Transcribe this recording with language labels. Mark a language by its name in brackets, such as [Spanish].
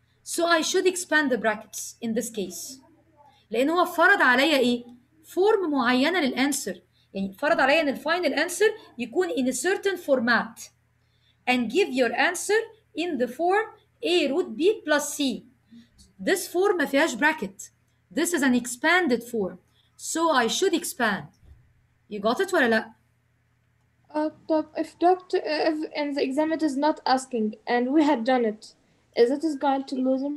[English] So I should expand the brackets in this case. [Arabic] لأن هو فرض عليا إيه؟ form معينة للانسر. يعني فرض عليا إن الفاينل انسر يكون [English] in a certain format. And give your answer in the form A root B plus C. This form [Arabic] ما فيهاش [English] bracket. This is an expanded form, so I should expand. You got it [Arabic] ولا لا? [English] If in the exam it is not asking and we had done it, is it is going to lose a mark?